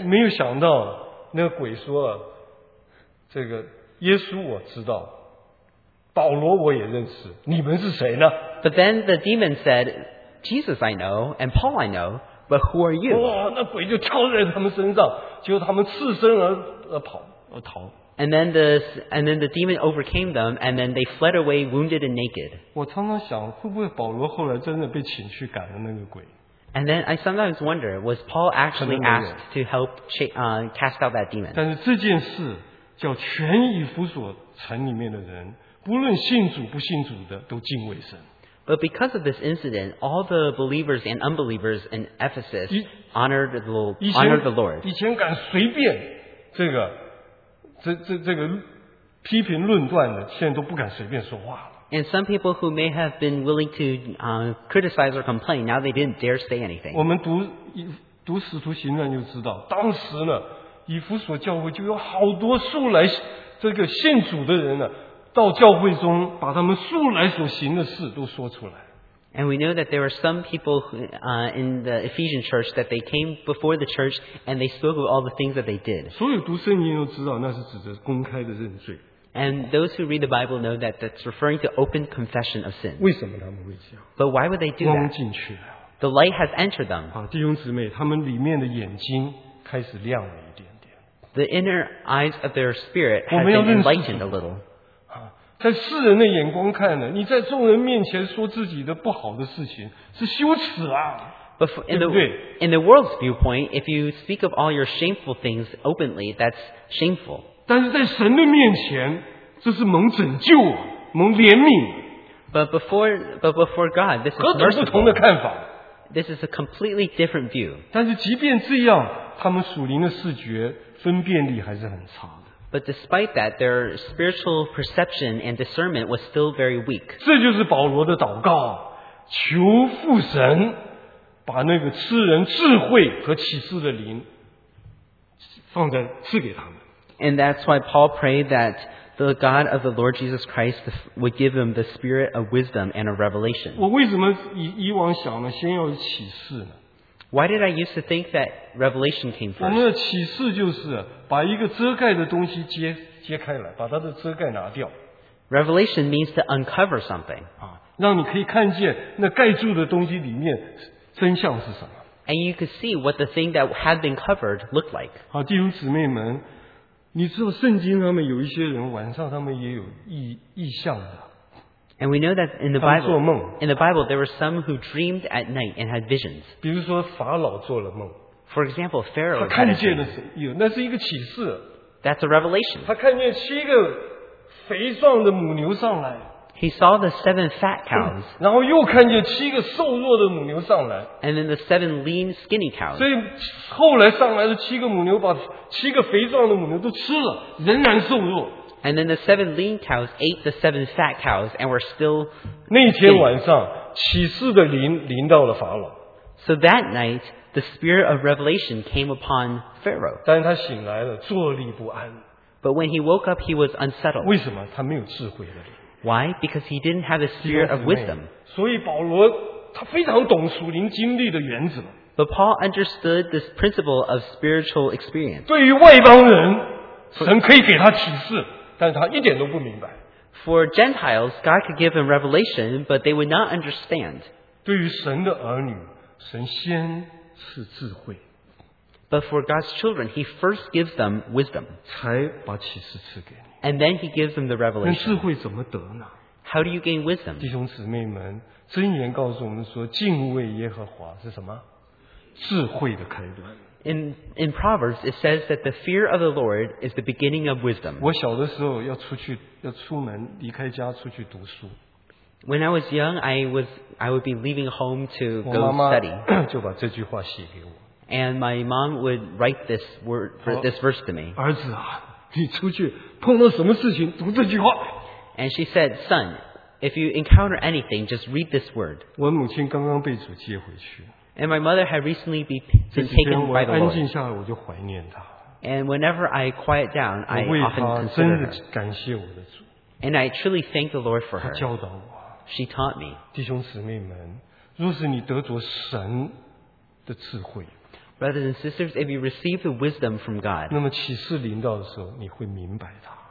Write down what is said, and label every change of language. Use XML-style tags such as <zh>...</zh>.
<zh>没有想到，那个鬼说，这个耶稣我知道，保罗我也认识，你们是谁呢？</zh> <en>But then the demon said, Jesus I know, and Paul I know. But who are you?</en> <zh>哇，那鬼就跳在他们身上，结果他们赤身而逃。</zh> <en>And then the demon overcame them, and then they fled away wounded and naked.</en> <zh>我常常想，会不会保罗后来真的被请去赶了那个鬼</zh> <en>？And then I sometimes wonder, was Paul actually asked to help cast out that demon?</en> <zh>但是这件事叫全以弗所城里面的人，不论信主不信主的，都敬畏神。</zh> <en>But because of this incident, all the believers and unbelievers in Ephesus honored the Lord.</en> <zh>以前敢随便这个这这这个批评论断的，现在都不敢随便说话了。</zh> <en>And some people who may have been willing to criticize or complain, now they didn't dare say anything.</en> <zh>我们读使徒行传就知道，当时呢，以弗所教会就有好多素来这个信主的人呢。到教会中把他们素来所行的事都说出来。</zh> <en>And we know that there were some people who, in the Ephesian church that they came before the church and they spoke of all the things that they did.</en> <zh>所有读圣经都知道那是指着公开的认罪。</zh> <en>And those who read the Bible know that that's referring to open confession of sin.</en> <zh>为什么他们会这样？</zh> <en>But why would they do that?</en> <zh>光进去了。</zh> <en>The light has entered them.</en> <zh>啊，弟兄姊妹，他们里面的眼睛开始亮了一点点。</zh> <en>The inner eyes of their spirit have been enlightened a little.</en> <zh>在世人的眼光看呢，你在众人面前说自己的不好的事情是羞耻啊，对不对</zh> <en>？In the world's viewpoint, if you speak of all your shameful things openly, that's shameful.</en> <zh>但是在神的面前，这是蒙拯救啊，蒙怜悯。</zh> <en>But before God, this is</en> <zh>各种不同的看法。</zh> <en>This is a completely different view.</en> <zh>但是即便这样，他们属灵的视觉分辨力还是很差。</zh> <en>But despite that, their spiritual perception and discernment was still very weak.</en> <zh>这就是保罗的祷告，求父神把那个赐人智慧和启示的灵放在赐给他们。</zh> <en>And that's why Paul prayed that the God of the Lord Jesus Christ would give him the spirit of wisdom and a revelation.</en> <zh>我为什么以往想呢？先要启示呢？</zh> <en>Why did I used to think that revelation came first?</en> <zh>我们的启示就是把一个遮盖的东西揭开来，把它的遮盖拿掉。</zh> <en>Revelation means to uncover something.</en> <zh>啊，让你可以看见那盖住的东西里面真相是什么。</zh> <en>And you could see what the thing that had been covered looked like.</en> <zh>好，弟兄姊妹们，你知道圣经上面有一些人晚上他们也有异象的。</zh> <en>And we know that in the Bible, there were some who dreamed at night and had visions.</en> <zh>比如说法老做了梦。</zh> <en>For example, Pharaoh.</en> <zh>他看见了什么？那是一个启示。</zh> <en>That's a revelation.</en> <zh>他看见七个肥壮的母牛上来。</zh> <en>He saw the seven fat cows.</en> <zh>然后又看见七个瘦弱的母牛上来。</zh> <en>And then the seven lean, skinny cows.</en> <zh>所以后来上来的七个母牛把七个肥壮的母牛都吃了，仍然瘦弱。</zh> <en>And then the seven lean cows ate the seven fat cows and were still.</en> <zh>那天晚上，启示的灵临到了法老。</zh> <en>So that night, the spirit of revelation came upon Pharaoh.</en> <zh>但是他醒来了，坐立不安。</zh> <en>But when he woke up, he was unsettled.</en> <zh>为什么？他没有智慧的灵。</zh> <en>Why? Because he didn't have the spirit of wisdom.</en> <zh>所以保罗他非常懂属灵经历的原则。</zh> <en>But Paul understood this principle of spiritual experience.</en> <zh>对于外邦人，神可以给他启示，但是他一点都不明白。</zh> <en>For Gentiles, God could give them revelation, but they would not understand.</en> <zh>对于神的儿女，神先赐智慧。</zh> <en>But for God's children, He first gives them wisdom.</en> <zh>才把启示赐给你。</zh> <en>And then He gives them the revelation.</en> <zh>那智慧怎么得呢？</zh> <en>How do you gain wisdom?</en> <zh>弟兄姊妹们，箴言告诉我们说，敬畏耶和华是什么？智慧的开端。</zh> <en>In Proverbs, it says that the fear of the Lord is the beginning of wisdom.</en> <zh>我小的时候要出去，要出门，离开家出去读书。</zh> <en>When I was young, I would be leaving home to go study.</en> <zh>我妈妈就把这句话写给我。</zh> <en>And my mom would write this word for this verse to me.</en> <zh>儿子啊，你出去碰到什么事情，读这句话。</zh> <en>And she said, "Son, if you encounter anything, just read this word."</en> <zh>我母亲刚刚被主接回去。</zh> <en>And my mother had recently been taken by the Lord.</en> <zh>这几天我安静下来，我就怀念她。</zh> <en>And whenever I quiet down, I often consider her.</en> <zh>我为她真的感谢我的主。</zh> <en>And I truly thank the Lord for her.</en> <zh>她教导我。</zh> <en>She taught me.</en> <zh>弟兄姊妹们，若是你得着神的智慧</zh> <en>，Brothers and sisters, if you receive the wisdom from God,</en> <zh>那么启示临到的时候，你会明白它。</zh>